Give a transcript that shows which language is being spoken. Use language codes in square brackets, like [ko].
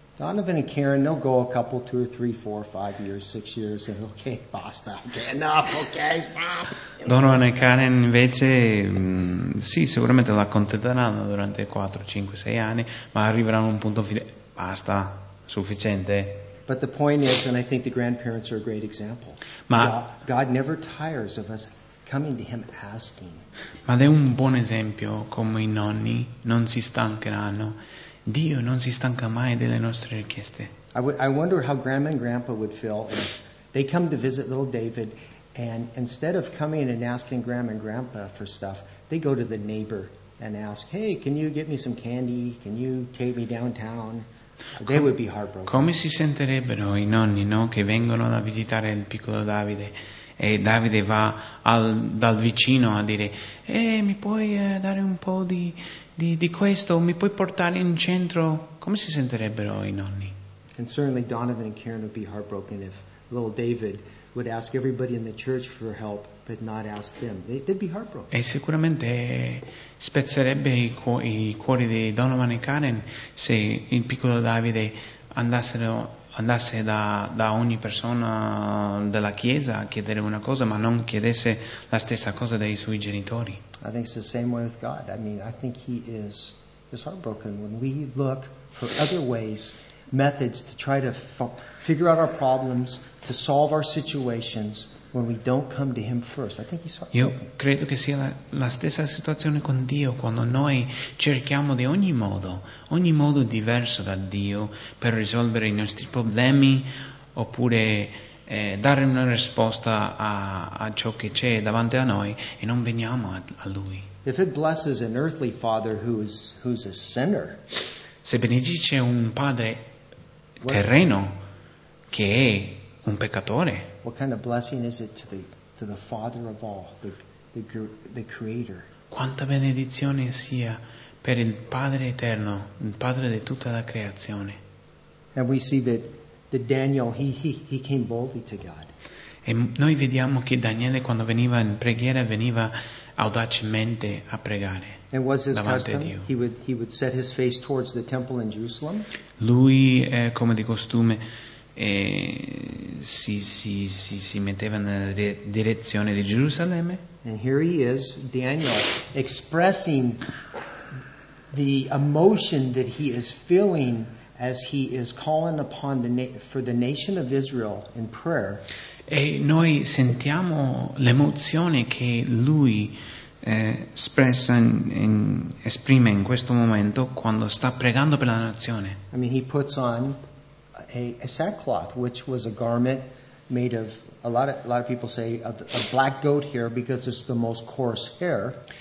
[en] Donovan e Karen, they'll go a couple, two or three, four, five years, six years, and okay, basta, okay, enough, okay, stop. [it] Donovan e Karen invece, sì, sicuramente lo accontenteranno durante 4, 5, 6 anni, ma arriveranno a un punto basta, sufficiente. [en] But the point is, and I think the grandparents are a great example. [it] Ma [en] God never tires of us coming to Him asking. [it] Ma è un buon esempio come i nonni non si stancheranno. Dio non si stanca mai delle nostre richieste. [en] I wonder how grandma and grandpa would feel if they come to visit little David, and instead of coming and asking grandma and grandpa for stuff, they go to the neighbor and ask, "Hey, can you get me some candy? Can you take me downtown?" They would be heartbroken. [it] Come si sentirebbero i nonni, no, che vengono a visitare il piccolo Davide e Davide va dal vicino a dire, mi puoi dare un po' di questo, mi puoi portare in centro? Come si sentirebbero i nonni? [en] And certainly Donovan and Karen would be heartbroken if little David would ask everybody in the church for help but not ask them. They'd be heartbroken. [it] E sicuramente spezzerebbe i cuori di Donovan e Karen se il piccolo Davide andassero andasse da ogni persona della chiesa a chiedere una cosa, ma non chiedesse la stessa cosa dai suoi genitori. [en] I think it's the same way with God. I mean, I think he is heartbroken when we look for other ways, methods to try to figure out our problems, to solve our situations, when we don't come to him first. I think he's heartbroken. [it] Io credo che sia la stessa situazione con Dio, quando noi cerchiamo di ogni modo diverso da Dio, per risolvere i nostri problemi, oppure dare una risposta a ciò che c'è davanti a noi, e non veniamo a lui. [en] If it blesses an earthly father who's a sinner, [it] se benedice un padre terreno che è un peccatore, [en] what kind of blessing is it to the father of all, the creator? [it] Quanta benedizione sia per il padre eterno, il padre di tutta la creazione. [en] And we see that Daniel he came boldly to God. [it] E noi vediamo che Daniele, quando veniva in preghiera, veniva audacemente a pregare davanti a Dio. [en] He would set his face towards the temple in Jerusalem. [it] Lui, come di costume, si metteva nella direzione di Gerusalemme. [en] And here he is, Daniel, expressing the emotion that he is feeling as he is calling upon for the nation of Israel in prayer. [it] E noi sentiamo l'emozione che lui esprime in questo momento quando sta pregando per la nazione. [en] I mean, he puts on a sackcloth, which was a garment made of, a lot of people say, of black goat hair, because it's the most coarse hair.